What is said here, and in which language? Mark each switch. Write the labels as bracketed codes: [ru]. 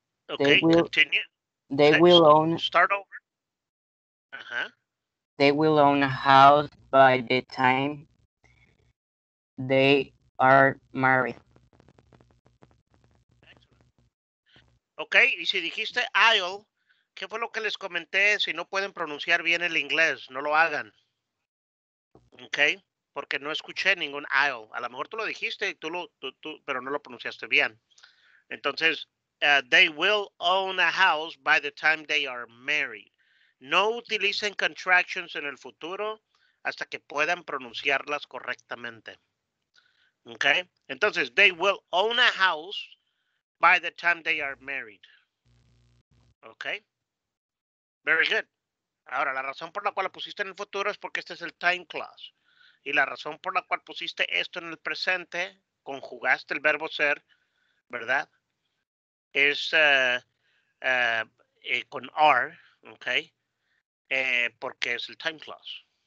[en] Okay, they will, continue. They Next. Will own. Start over. Uh-huh. They will own a house by the time they are married. [es] Okay, y si dijiste I'll, ¿qué fue lo que les comenté? Si no pueden pronunciar bien el inglés, no lo hagan. Okay, porque no escuché ningún I'll. A lo mejor tú lo dijiste, pero no lo pronunciaste bien. Entonces, [en] they will own a house by the time they are married. [es] No utilicen contractions en el futuro hasta que puedan pronunciarlas correctamente. [en] Okay, entonces, they will own a house by the time they are married. Okay, very good. [es] Ahora, la razón por la cual la pusiste en el futuro es porque este es el time clause. Y la razón por la cual pusiste esto en el presente, conjugaste el verbo ser, ¿verdad? Es con are, okay, porque es el time clause.